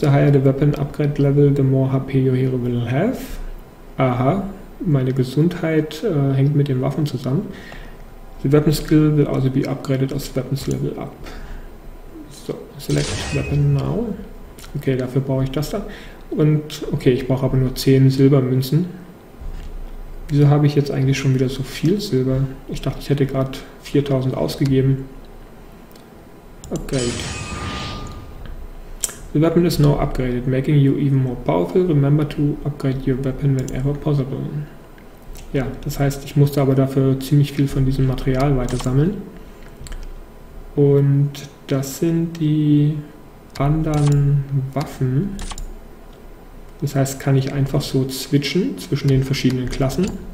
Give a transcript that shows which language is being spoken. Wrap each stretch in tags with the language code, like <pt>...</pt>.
<en>The higher the weapon upgrade level, the more HP your hero will have.</en> <de>Aha, meine Gesundheit hängt mit den Waffen zusammen.</de> <en>The weapon skill will also be upgraded as weapons level up. So, select weapon now.</en> <de>Okay, dafür brauche ich das da. Und okay, ich brauche aber nur 10 Silbermünzen. Wieso habe ich jetzt eigentlich schon wieder so viel Silber? Ich dachte, ich hätte gerade 4000 ausgegeben. Upgrade.</de> <en>The weapon is now upgraded, making you even more powerful. Remember to upgrade your weapon whenever possible.</en> <de>Ja, das heißt, ich musste aber dafür ziemlich viel von diesem Material weitersammeln. Und das sind die anderen Waffen. Das heißt, kann ich einfach so switchen zwischen den verschiedenen Klassen.</de>